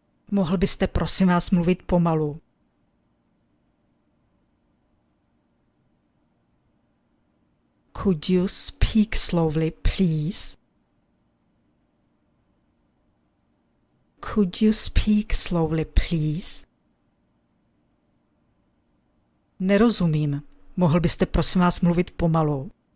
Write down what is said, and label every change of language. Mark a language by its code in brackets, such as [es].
[cs] Mohl byste, prosím vás, mluvit pomalu? [en] Could you speak slowly, please? Could you speak slowly, please? [cs] Nerozumím. Mohl byste, prosím vás, mluvit pomalu?